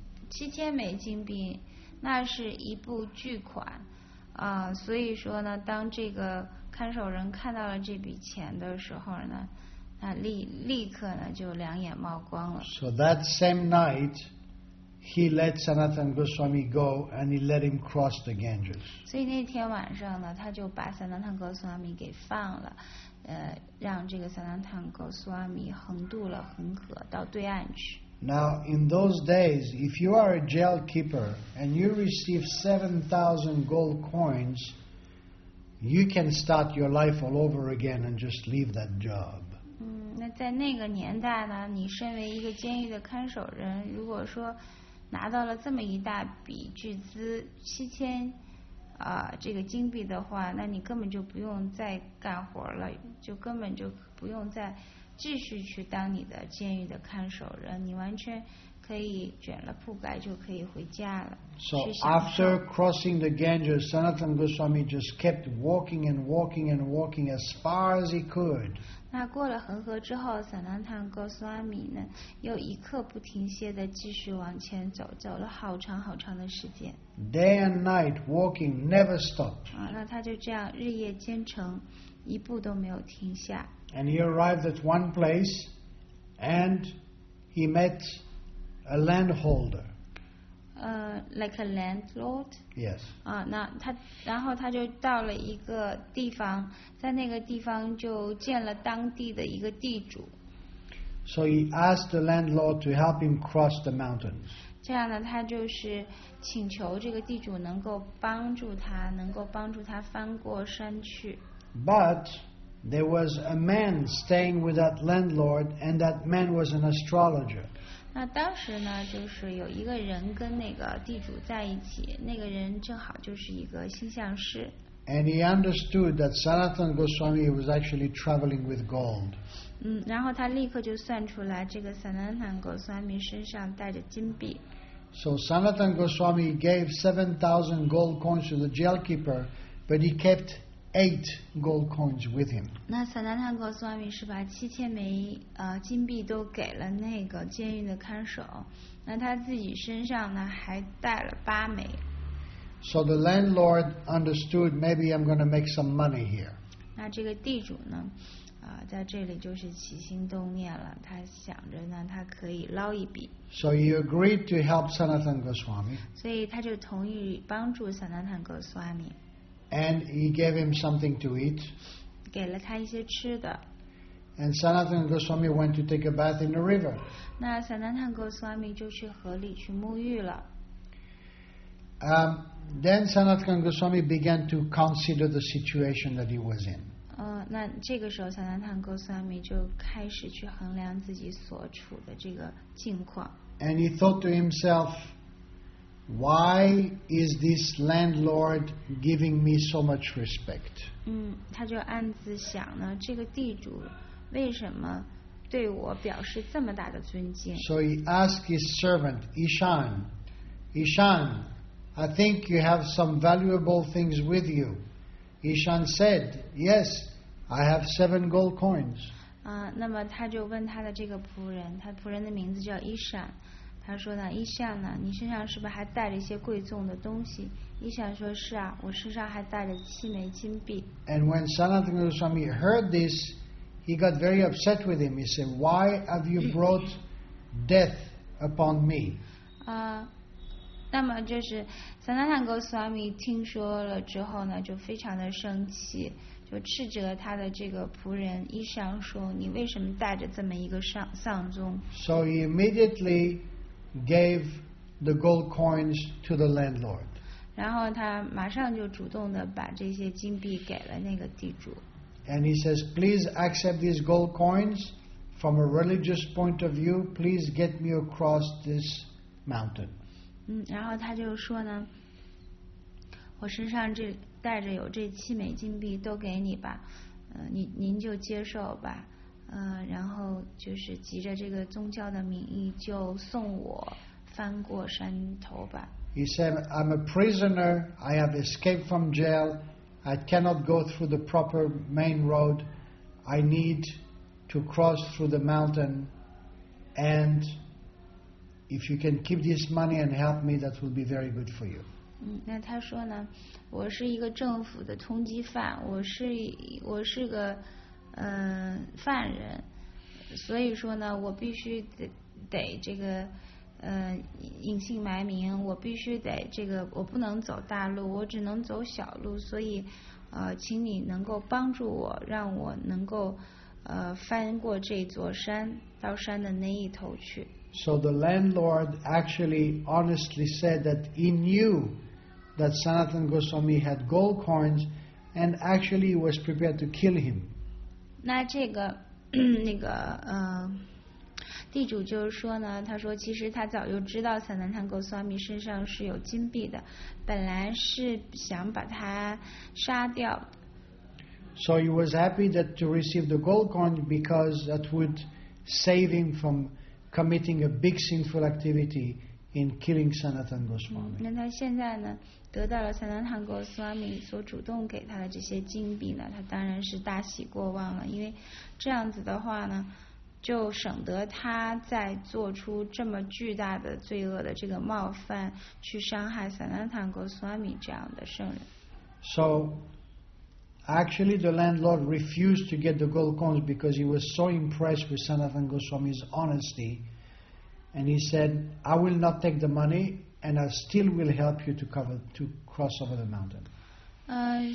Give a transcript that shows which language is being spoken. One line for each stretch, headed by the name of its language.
Chinese: 七千美金币，那是一笔巨款啊！所以说呢，当这个看守人看到了这笔钱的时候呢，那立刻呢就两眼冒光了。
English: So that same night, he let Sanatan Goswami go and he let him cross the Ganges.
Chinese: 所以那天晚上呢，他就把 Sanatan Goswami 给放了，让这个 Sanatan Goswami 横渡了恒河到对岸去。
English: Now in those days, if you are a jail keeper and you receive 7,000 gold coins, you can start your life all over again and just leave that job.
Chinese: 那在那个年代呢，你身为一个监狱的看守人，如果说拿到了这么一大笔巨资7,000这个金币的话，那你根本就不用再干活了，就根本就不用再继续去当你的监狱的看守人，你完全可以卷了铺盖就可以回家了。
English: So after crossing the Ganges, Sanatan Goswami just kept walking and walking and walking as far as he could.
Chinese: 那过了恒河之后 ，Sanatan Goswami 呢又一刻不停歇的继续往前走，走了好长好长的时间。
English: Day and night walking, never stopped.
Chinese: 那他就这样日夜兼程，一步都没有停下。
English: And he arrived at one place, and he met a landholder. Like a landlord. Yes.
Chinese: 然后他就到了一个地方，在那个地方就见了当地的一个地主。
English: So he asked the landlord to help him cross the mountains.
Chinese: 这样呢，他就是请求这个地主能够帮助他，能够帮助他翻过山去。
English: But there was a man staying with that landlord, and that man was an astrologer.
Chinese: 那当时呢，就是有一个人跟那个地主在一起，那个人正好就是一个星象师。
English: And he understood that Sanatan Goswami was actually traveling with gold.
Chinese: 然后他立刻就算出来，这个 Sanatan Goswami 身上带着金币。
English: So Sanatan Goswami gave 7,000 gold coins to the jailkeeper, but he kept 8 gold coins with him.
Chinese: 那 Sanatan Goswami 是把7,000枚金币都给了那个监狱的看守，那他自己身上呢还带了8枚。
English: So the landlord understood, maybe I'm going to make some money here.
Chinese: 那这个地主呢，在这里就是起心动念了，他想着呢，他可以捞一笔。
English: So he agreed to help Sanatan Goswami.
Chinese: 所以他就同意帮助 Sanatan Goswami。
English: And he gave him something to eat.
Chinese: 给了他一些吃的。
English: And Sanatan Goswami went to take a bath in the river.
Chinese: 那 Sanatan Goswami 就去河里去沐浴了。
English: Then Sanat Kang Goswami began to consider the situation that he was in.
Chinese: 那这个时候 Sanat Kang Goswami 就开始去衡量自己所处的这个境况。
English: And he thought to himself, why is this landlord giving me so much respect?
Chinese: 他就暗自想呢，这个地主为什么对我表示这么大的尊敬？
English: So he asked his servant, Ishan, Ishan,I think you have some valuable things with you. Ishan said, yes, I have 7 gold coins.
Chinese: 那么他就问他的这个仆人，他仆人的名字叫 Ishan， 他说呢， Ishan 呢，你身上是不是还带着一些贵重的东西？ Ishan 说是啊，我身上还带着7枚金币。
English: And when Sanat Kang Goswami heard this, he got very upset with him. He said, why have you brought death upon me?
Chinese: 那么就是 Sanat Kang Goswami 听说了之后呢，就非常的生气，就斥责他的这个仆人伊尚说，你为什么带着这么一个丧钟。
English: So he immediately gave the gold coins to the landlord.
Chinese: 然后他马上就主动的把这些金币给了那个地主。
English: And he says, please accept these gold coins from a religious point of view. Please get me across this mountain.
Chinese: 然后他就说呢，我身上这带着有这7枚金币，都给你吧，您就接受吧，然后就是急着这个宗教的名义，就送我翻过山头吧。
English: He said, "I'm a prisoner. I have escaped from jail. I cannot go through the proper main road. I need to cross through the mountain and." If you can keep this money and help me, that will be very good for you.
Chinese: 那他说呢，我是一个政府的通缉犯，我是个犯人，所以说呢，我必须得这个隐姓埋名，我必须得这个，我不能走大路，我只能走小路，所以请你能够帮助我，让我能够翻过这座山，到山的那一头去。
English: So the landlord actually honestly said that he knew that Sanat Kang Goswami had gold coins and actually was prepared to kill him.
Chinese: 那这个那个地主就是说呢，他说其实他早就知道 Sanat Kang Goswami 身上是有金币的，本来是想把他杀掉的。
English: So he was happy that to receive the gold coin because that would save him from committing a big sinful activity in killing Sanat Kang Goswami.
Chinese: 那他现在呢，得到了 Sanat Kang Goswami 所主动给他的这些金币呢，他当然是大喜过望了，因为这样子的话呢，就省得他再做出这么巨大的罪恶的这个冒犯，去伤害 Sanat Kang Goswami 这样的圣人。
English: So, actually, the landlord refused to get the gold coins because he was so impressed with Sanat Kang Goswami's honesty. And he said, I will not take the money and I still will help you to cross over the mountain.